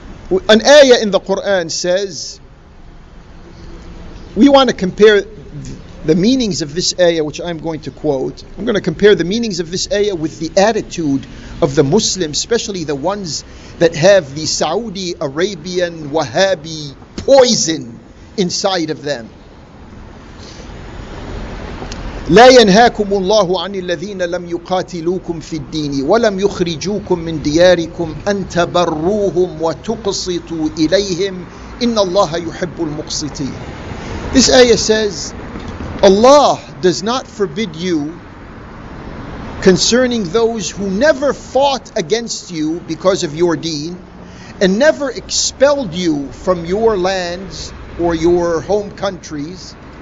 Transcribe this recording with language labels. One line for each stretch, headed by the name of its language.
English: An ayah in the Quran says, we want to compare the meanings of this ayah, which I'm going to quote. I'm going to compare the meanings of this ayah with the attitude of the Muslims, especially the ones that have the Saudi Arabian Wahhabi poison inside of them.
Arabic: لا ينهاكم الله عن الذين لم يقاتلوكم في الدين ولم يخرجوكم من دياركم أن تبروهم وتقسطوا إليهم إن الله يحب المقسطين.
English: This ayah says, Allah does not forbid you concerning those who never fought against you because of your deen and never expelled you from your lands or your home countries.